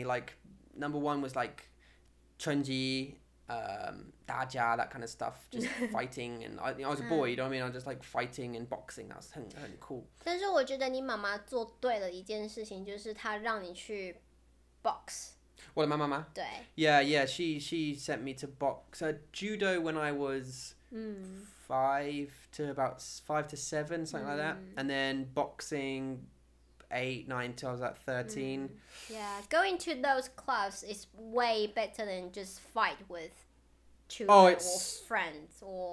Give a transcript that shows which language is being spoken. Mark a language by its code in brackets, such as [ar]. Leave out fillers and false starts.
[en] Like number one was like [zh] 春节大家 [en] that kind of stuff, just fighting, and I was a boy, you know what I mean? I was just like fighting and boxing, that was [zh] 很 [en] cool. [zh] 但是我觉得你妈妈做对了一件事情，就是她让你去 box. 我的妈妈吗？对。 [en] Yeah, she sent me to box. So, judo when I was five to seven, something like that, and then boxing 8, 9 till I was at 13. Yeah, going to those clubs is way better than just fight with friends or